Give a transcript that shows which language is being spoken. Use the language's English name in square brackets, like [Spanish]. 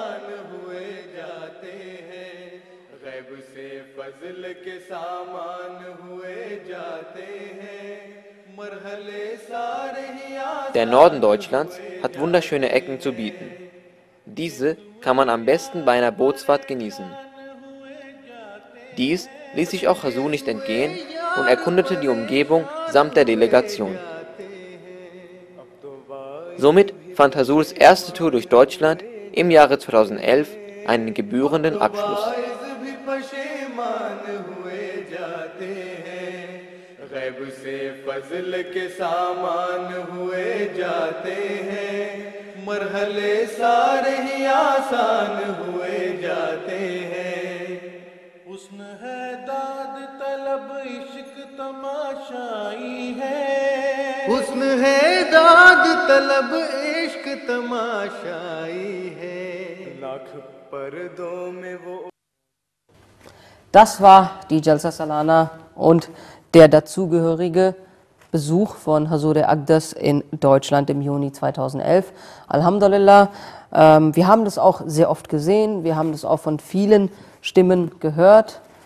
[Urdu] انسان سے شیطان ہوئے جاتے ہیں غیب سے فضل کے سامان ہوئے جاتے ہیں مرحلے سارے ہی [German] Der Norden Deutschlands hat wunderschöne Ecken zu bieten. Diese kann man am besten bei einer Bootsfahrt genießen. Dies ließ sich auch Hazur nicht entgehen und erkundete die Umgebung samt der Delegation. Somit fand Hazurs erste Tour durch Deutschland im Jahre 2011 einen gebührenden Abschluss. [Urdu] فضل کے سامان ہوئے جاتے ہیں مرحلے سارے ہی آسان ہوئے جاتے ہیں حسن ہے داد طلب عشق تماشائی ہے حسن ہے داد طلب عشق تماشائی ہے لاکھ پردوں میں وہ [German] Das war die Jalsa Salana und der dazugehörige Besuch von Hazur Akdas in Deutschland im Juni 2011. Alhamdulillah, wir haben das auch sehr oft gesehen, wir haben das auch von vielen Stimmen gehört.